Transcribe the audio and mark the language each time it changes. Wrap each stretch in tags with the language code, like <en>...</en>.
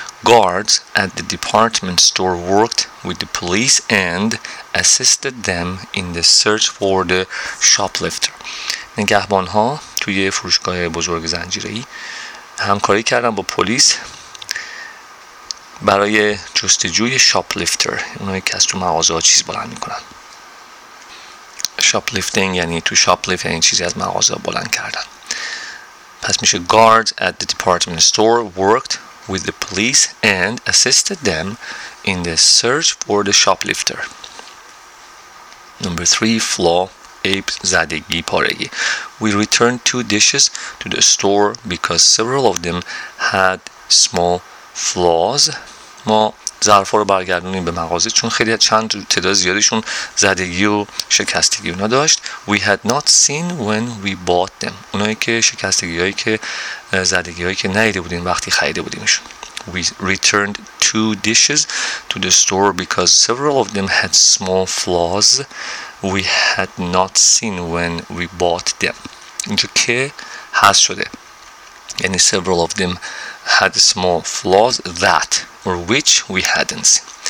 <en>Guards at the department store worked with the police and assisted them in the search for the shoplifter.</en> <fa>نگهبان ها توی فروشگاه بزرگ زنجیره‌ای همکاری کردن با پلیس برای جستجوی شاپلیفتر، اونایی که از تو مغازه ها چیز بلند میکنن. شاپلیفتینگ یعنی تو شاپلیفت، یعنی چیزی از مغازه بلند کردن. پس میشه</fa> <en>guards at the department store worked with the police and assisted them in the search for the shoplifter. Number 3, flaw,</en> <fa>عیب، زدگی، پارگی.</fa> <en>We returned two dishes to the store because several of them had small flaws.</en> <fa>ما ظرفا رو برگردونیم به مغازه چون خیلی چند تعداد زیادشون زدگی و شکستگی اونا داشت.</fa> <en>We had not seen when we bought them.</en> <fa>اونایی که شکستگی هایی که زدگی هایی که ندیده بودیم وقتی خریده بودیمشون.</fa> <en>We returned two dishes to the store because several of them had small flaws. We had not seen when we bought them.</en> <fa>اینجا که هست شده.</fa> <en>یعنی several of them had small flaws that or which we hadn't seen.</en>